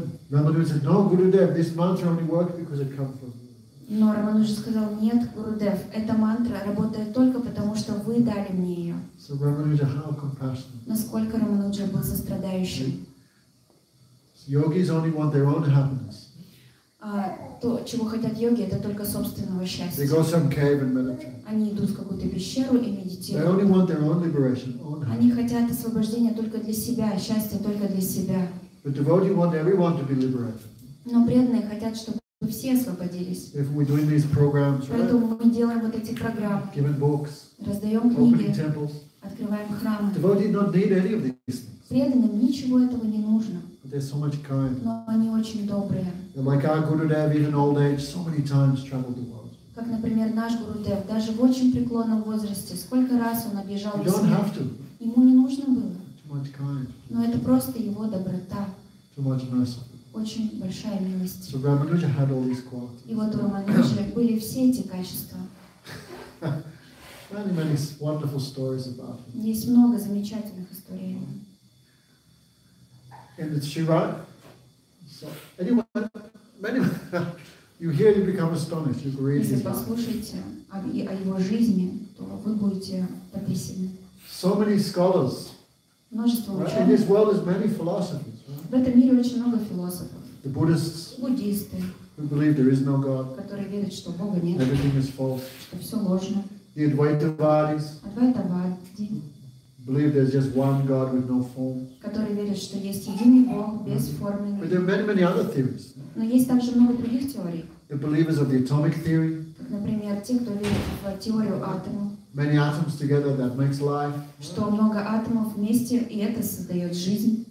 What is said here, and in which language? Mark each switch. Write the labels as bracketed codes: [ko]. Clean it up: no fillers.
[en] Ramadev said, "No, Gurudev, this mantra only works because it comes from." [ru] Но Рамануджа сказал, нет, Гурудев, эта мантра работает только потому, что вы дали мне ее. [en] So, Рамануджа, how compassionate. [ru] Насколько Рамануджа был сострадающим. [en] So, yogis only want their own happiness. [ru] То, чего хотят йоги, это только собственного счастья. [en] They go some cave and meditate. [ru] Они идут в какую-то пещеру и медитируют. [en] They only want their own liberation, own happiness. [ru] Они хотят освобождения только для себя, счастья только для себя. [en] But devotees want everyone to be liberated. [ru] Но преданные хотят, чтобы мы все освободились. [en] If we're doing these programs, [ru] поэтому [en] right? [ru] мы делаем вот эти программы. [en] Giving books, [ru] раздаем книги. [en] Temples, [ru] открываем храмы. [en] Devotees don't need any of these things. [ru] Преданным ничего этого не нужно. [en] But they're so much kind. [ru] Но они очень добрые. [en] They're like our Gurudev, even old age, so many times traveled the world. [ru] Как, например, наш Гурудев, даже в очень преклонном возрасте, сколько раз он объезжал весь мир. Ему не нужно было. [en] Too much kind. [ru] Но это просто его доброта. [en] Too much mercy. [ru] Очень большая милость. [en] So Ramanuja had all these qualities. [ru] И вот у Рамануджи были все эти качества. [en] Many, many wonderful stories about him. [ru] Есть много замечательных историй. [en] And it's Shiva. So anyone, many, you hear, you become astonished. You read [ru] Если послушаете о его жизни, то вы будете потрясены. [en] So many scholars. [ru] Множество ученых. [en] In this world, there's many philosophers. [ru] В этом мире очень много философов. [en] The Buddhists, [ru] буддисты, [en] who believe there is no God, [ru] которые верят, что Бога нет, [en] everything is false, [ru] что все ложно. [en] The Advайтавадис, [ru] Адвайтавади, [en] believe there's just one God with no form, [ru] которые верят, что есть единый Бог без формы. [en] But there are many, many other theories. [ru] Но есть также много других теорий. [en] The believers of the atomic theory, [ru] как, например, те, кто верит в теорию атома. [en] Many atoms together that makes life. [ru] Что много атомов вместе и это создает жизнь.